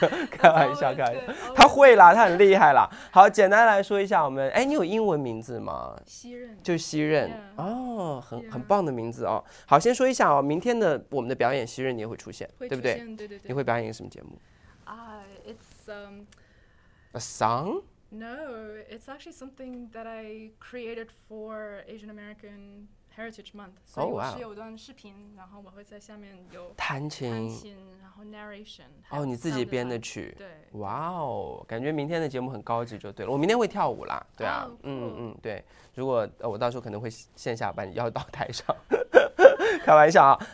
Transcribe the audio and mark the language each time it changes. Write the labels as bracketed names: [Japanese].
[Chinese] 开玩笑，开玩笑，她会啦，她很厉害啦。好，简单来说一下，我们，哎，你有英文名字吗？希任，就希任哦，很棒的名字哦。好，先说一下哦，明天的我们的表演，希任你也会出现，对不对？对对对，你会表演一个什么节目？ [English] It's a song。 No, it's actually something that I created for Asian American Heritage Month. So oh, wow. [Chinese] 我是有段视频，然后我会在下面有弹琴，然后 narration. 哦，你自己编的曲。对。哇哦，感觉明天的节目很高级就对了。我明天会跳舞啦，对啊， [English] oh, cool. [Chinese] 对。如果我到时候可能会线下把你邀到台上。开玩笑啊。